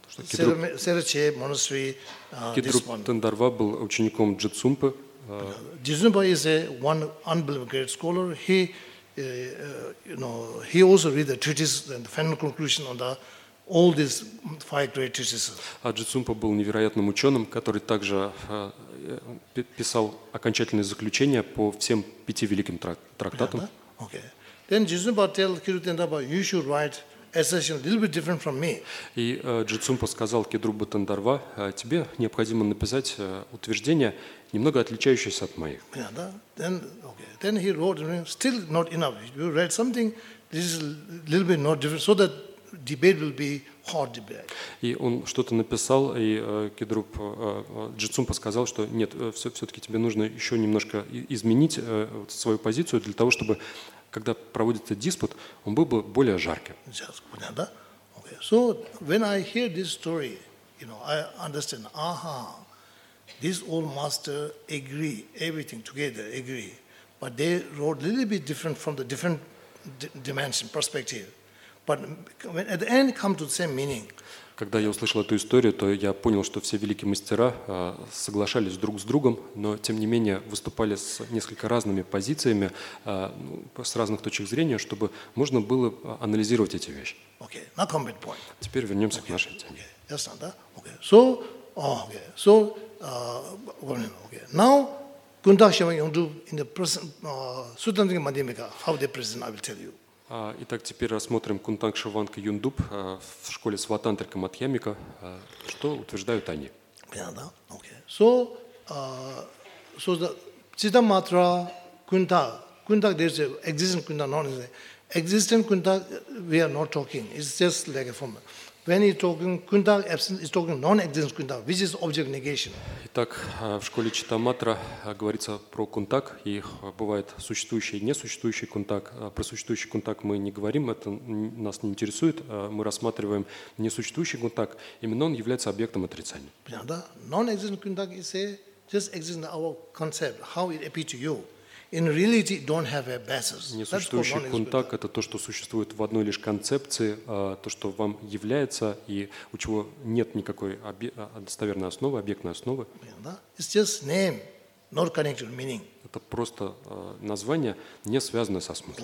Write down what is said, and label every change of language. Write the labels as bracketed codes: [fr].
[ru] Кидру Тендарва был учеником Джицумпы. [en] Джицумпа is a one unbelievable great scholar. He, you know, he also read the treatise and the final conclusion on the all these five great treatises. [ru] А Джицумпа был невероятным ученым, который также писал окончательное заключение по всем пяти великим трактатам. [en] Okay. Then Джицумпа tell Кидру Тендарва, you should write. Assertion a little bit different from me. [ru] И Джицумпа сказал Кидруба Тендарва, тебе необходимо написать утверждение, немного отличающееся от моих. [en] Yeah, да? Then, okay. Then he wrote, still not enough. You write something, this is a little bit not different, so that debate will be hard debate. [ru] И он что-то написал, и Джицумпа сказал, что нет, все-таки тебе нужно еще немножко изменить свою позицию для того, чтобы когда проводится диспут, он был бы более жарким. [en] Okay. So when I hear this story, you know, I understand, aha, these old masters agree, everything together agree, but they wrote a little bit different from the different dimension, perspective. But when at the end come to the same meaning. [ru] Когда я услышал эту историю, то я понял, что все великие мастера соглашались друг с другом, но тем не менее выступали с несколько разными позициями, с разных точек зрения, чтобы можно было анализировать эти вещи. [en] Okay, now come back point. [ru] Теперь вернемся к нашей теме. [en] Okay, [ru] ясно, да? [en] Okay. So, okay. So, okay. Now, Gundakshama Yongdu in the present Sutantika Madhyamika, how they present, I will tell you. [ru] Итак, теперь рассмотрим Кунтакша Ванка Юндуб в школе Сватантрика Мадхьямика. Что утверждают они? Понятно, окей. [en] So, so the Читаматра Кунтак, Кунтак, there's an existing Кунтак, not existing. Existing Кунтак, we are not talking. It's just like a form. When he's talking, Кунтак absent, he's talking non-existent Кунтак, which is object negation. [ru] Итак, в школе Читаматра говорится про Кунтак, и бывает существующий и несуществующий Кунтак. Про существующий Кунтак мы не говорим, это нас не интересует. Мы рассматриваем несуществующий Кунтак, именно он является объектом отрицания. Понятно, да? [en] Non-existent Кунтак is a, just existent our concept, how it appears to you. In reality, don't have a basis. [ru] Несуществующий кунтак – это то, что существует в одной лишь концепции, то, что вам является и у чего нет никакой достоверной основы, объектной основы. [en] It's just name, not connected meaning. [ru] Это просто название, не связанное со смыслом.